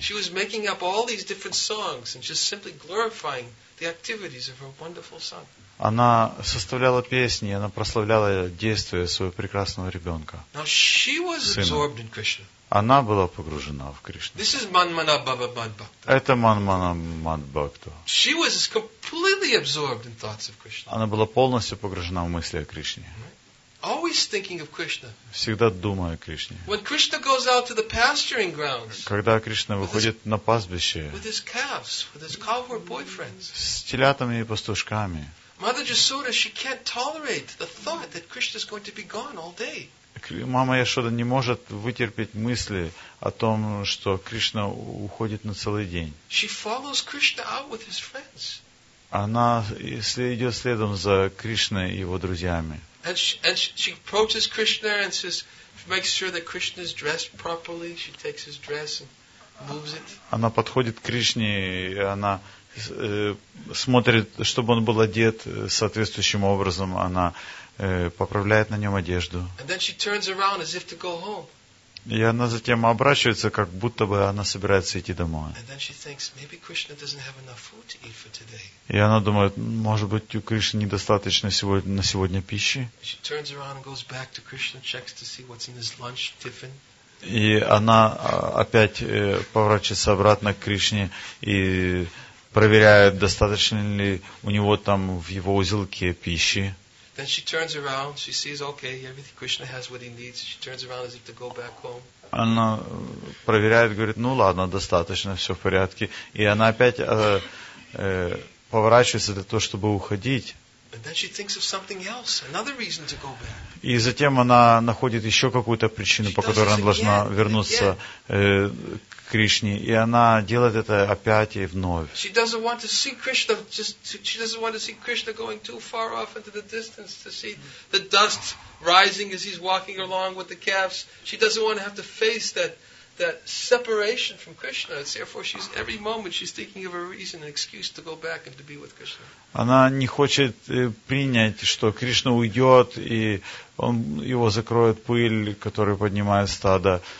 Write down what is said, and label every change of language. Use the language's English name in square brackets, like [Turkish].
[English] She was making up all these different songs and just simply glorifying the activities of her wonderful son. [Russian] Она составляла песни, она прославляла действия своего прекрасного ребенка. [English] Now she was absorbed in Krishna. [Russian] Она была погружена в Кришну. [English] This is Manmana Bhava Madbhakta. [Russian] Это Manmana Madbhakta. [English] She was completely absorbed in thoughts of Krishna. [Russian] Она была полностью погружена в мысли о Кришне. [English] Always thinking of Krishna. [Russian] Всегда думая о Кришне. [English] When Krishna goes out to the pasturing grounds. [Russian] Когда Кришна выходит на пастбище. [English] With his calves, with his cowherd boyfriends. [Russian] С телятами и пастушками. [English] Mother Yashoda, she can't tolerate the thought that Krishna is going to be gone all day. [Russian] Мама Яшода не может вытерпеть мысли о том, что Кришна уходит на целый день. [English] She follows Krishna out with his friends. [Russian] Она идет следом за Кришной и его друзьями. [English] And she approaches Krishna and says, makes sure that Krishna is dressed properly. She takes his dress and moves it. [Russian] Она подходит к Кришне и она смотрит, чтобы он был одет соответствующим образом. Она поправляет на нем одежду. [English] And then she turns around as if to go home. [Russian] И она затем обращается, как будто бы она собирается идти домой. [English] And then she thinks, maybe Krishna doesn't have enough food to eat for today. [Russian] И она думает, может быть, у Кришны недостаточно на сегодня пищи. [English] She turns around and goes back to Krishna, checks to see what's in his lunch tiffin. [Russian] И она опять поворачивается обратно к Кришне и проверяет, достаточно ли у него там в его узелке пищи. [English] Then she turns around, she sees, okay, everything Krishna has what he needs. She turns around as if to go back home. [Russian] Она проверяет, говорит, ну ладно, достаточно, все в порядке. И она опять поворачивается для того, чтобы уходить. [English] And then she thinks of something else, another reason to go back. [Russian] И затем она находит еще какую-то причину, по которой она должна вернуться к Кришне. И она делает это опять и вновь. [English] She doesn't want to see Krishna, just, she doesn't want to see Krishna going too far off into the distance to see the dust rising as he's walking along with the calves. She doesn't want to have to face that separation from Krishna. And therefore, she's every moment she's thinking of a reason, an excuse to go back and to be with Krishna. [Russian] Она не хочет принять, что Кришна уйдет, и он его закроет пыль, которую поднимает стадо.